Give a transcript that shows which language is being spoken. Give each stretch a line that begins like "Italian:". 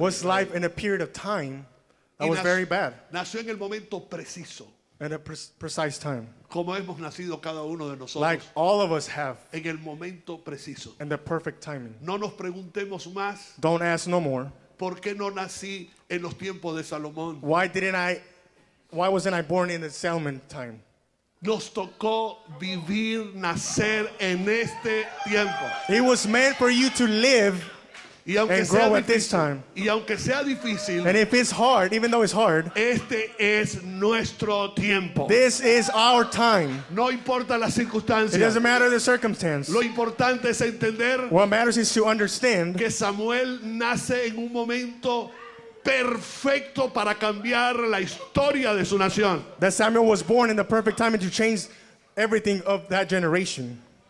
English: Was life in a period of time. That was very bad.
Spanish: Nació en el momento preciso.
English: At a precise time.
Spanish: Como hemos nacido cada uno de nosotros.
English: Like all of us have.
Spanish: En el momento preciso.
English: In the perfect timing.
Spanish: No nos preguntemos más.
English: Don't ask no more.
Spanish: ¿Por qué no nací en los tiempos de Salomón?
English: Why wasn't I born in the Solomon time?
Spanish: Nos tocó vivir, nacer en este tiempo.
English: It was meant for you to live. And grow
Spanish: difícil,
English: at this time.
Spanish: Y aunque sea difícil,
English: and if it's hard, even though it's hard,
Spanish: este es nuestro tiempo.
English: This is our time.
Spanish: No importa las circunstancias.
English: It doesn't matter the circumstance.
Spanish: Lo importante es entender,
English: what matters is to understand
Spanish: que Samuel nace en un momento perfecto para cambiar la historia de su nación.
English: That Samuel was born in the perfect time and to change everything of that generation.